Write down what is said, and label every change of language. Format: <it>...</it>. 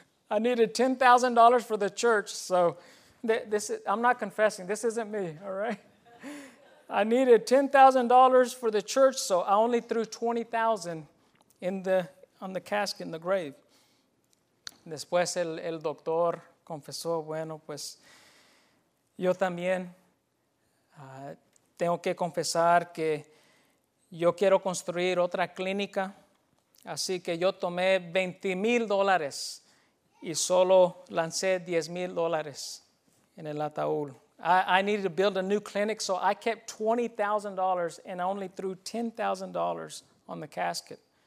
<en>I needed $10,000 for the church, so I'm not confessing, this isn't me, all right? I needed $10,000 for the church, so I only threw $20,000 on the casket in the grave.</en> <es>Después el doctor confesó, yo también tengo que confesar que yo quiero construir otra clínica, así que yo tomé $20,000 y solo lancé $10,000 en el ataúd.</es> <en>I needed to build a new clinic, so I kept $20,000 and I only threw $10,000 on the casket.</en>